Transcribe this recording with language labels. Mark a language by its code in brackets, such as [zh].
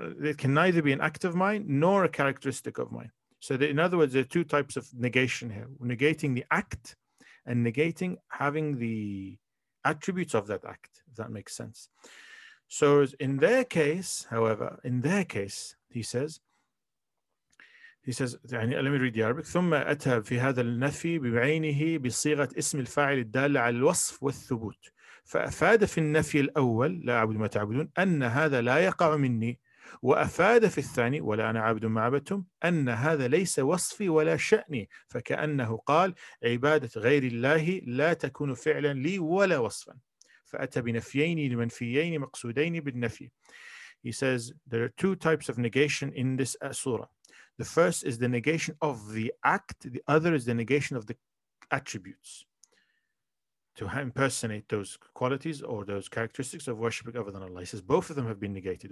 [en] It can neither be an act of mine nor a characteristic of mine. So, in other words, there are two types of negation here: negating the act and negating having the attributes of that act. If that makes sense. So, in their case, however, in their case, he says, [ar] يعني, [en] let me read the Arabic. [ar] ثم أتى في هذا النفي بعينه بصيغة اسم الفاعل الدالة على الوصف والثبوت. فأفاد في النفي الأول لا أعبد ما تعبدون أن هذا لا يقع مني, وأفاد في الثاني ولا أنا عابد ما عبدتم أن هذا ليس وصفي ولا شأني, فكأنه قال عبادة غير الله لا تكون فعلا لي ولا وصفا. فأتى بنفيين لمنفيين مقصودين بالنفي. [en] He says there are two types of negation in this surah. The first is the negation of the act, the other is the negation of the attributes to impersonate those qualities or those characteristics of worshiping other than Allah. He says both of them have been negated.